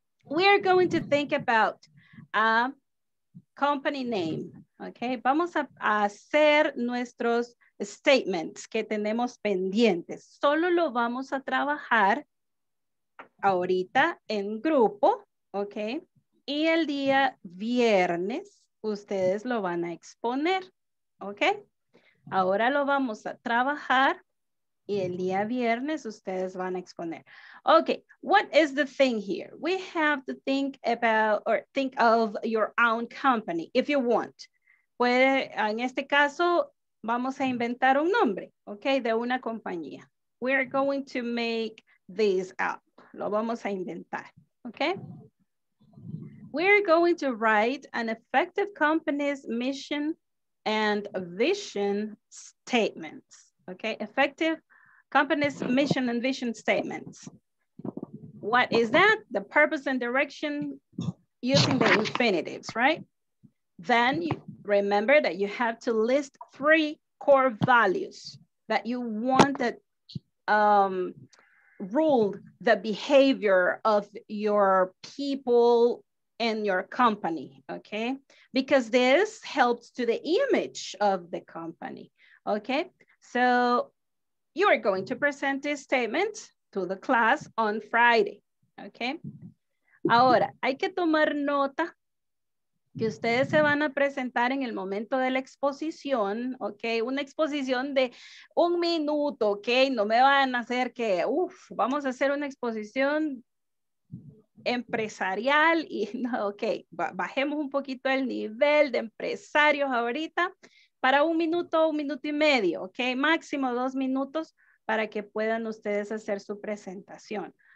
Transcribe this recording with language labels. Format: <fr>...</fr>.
<en>We are going to think about a company name.</en> <es>Okay, vamos a hacer nuestros statements que tenemos pendientes. Solo lo vamos a trabajar ahorita en grupo, ok, y el día viernes ustedes lo van a exponer, ok, ahora lo vamos a trabajar y el día viernes ustedes van a exponer.</es> <en>Ok, what is the thing here? We have to think about or think of your own company if you want.</en> <es>Puede, en este caso vamos a inventar un nombre, ok, de una compañía.</es> <en>We are going to make this up.</en> <es>Lo vamos a inventar,</es> <en>okay? We're going to write an effective company's mission and vision statements, okay? Effective company's mission and vision statements. What is that? The purpose and direction using the infinitives, right? Then you remember that you have to list three core values that you want that, ruled the behavior of your people and your company, okay? Because this helps to the image of the company, okay? So you are going to present this statement to the class on Friday, okay?</en> <es>Ahora, hay que tomar nota que ustedes se van a presentar en el momento de la exposición, ok, una exposición de un minuto, ok, no me van a hacer que, uff, vamos a hacer una exposición empresarial y, no, ok, bajemos un poquito el nivel de empresarios ahorita para un minuto y medio, ok, máximo dos minutos para que puedan ustedes hacer su presentación.</es>